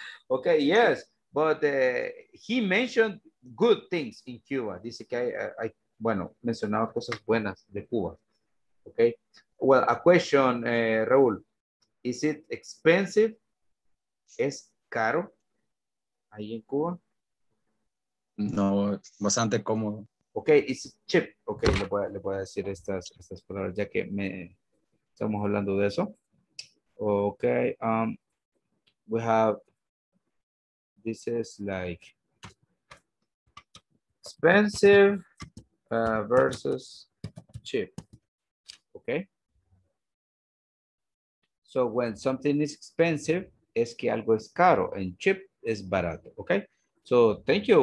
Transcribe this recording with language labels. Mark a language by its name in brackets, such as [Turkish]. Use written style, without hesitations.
[English] Okay, yes, but he mentioned good things in Cuba. [Spanish] Dice que hay bueno, mencionaba cosas buenas de Cuba. [English] Okay. Well, a question, Raúl. Is it expensive? [Spanish] ¿Es caro ahí en Cuba? No, bastante cómodo. [English] Okay, is it cheap? [Spanish] Okay, le voy a decir estas palabras ya que estamos hablando de eso. [English] Okay, we have, this is like expensive versus cheap. Okay. [Spanish] So when something is expensive, es que algo es caro, [English] and cheap is barato. Okay. So thank you.